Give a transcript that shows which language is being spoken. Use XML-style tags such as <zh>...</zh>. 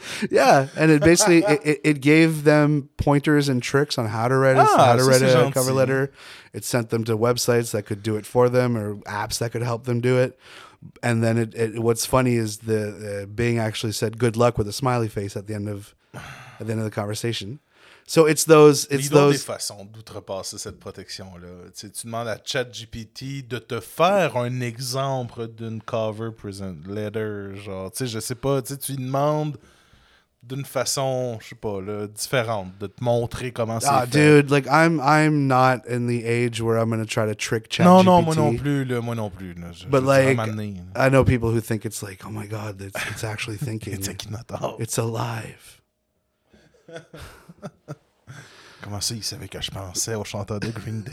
<en>Yeah, and it basically it gave them pointers and tricks on how to write a cover letter. It sent them to websites that could do it for them or apps that could help them do it. And then what's funny is the Bing actually said good luck with a smiley face at the end of the conversation. So it's those</en> <fr>des façons d'outrepasser cette protection là. Tu demandes à ChatGPT de te faire un exemple d'une cover present letter, genre tu sais je sais pas, tu lui demandes d'une façon, je sais pas, là, différente, de te montrer comment c'est fait.</fr> <en>Dude, like, I'm not in the age where I'm going to try to trick ChatGPT.</en> <fr>Non, moi non plus. Là,</fr> <en>but like, I know people who think it's like, oh my God, it's actually thinking. It's a kidnapper. It's alive.</en> <fr>Comment ça, il savait que je pensais au chanteur de Green Day?</fr>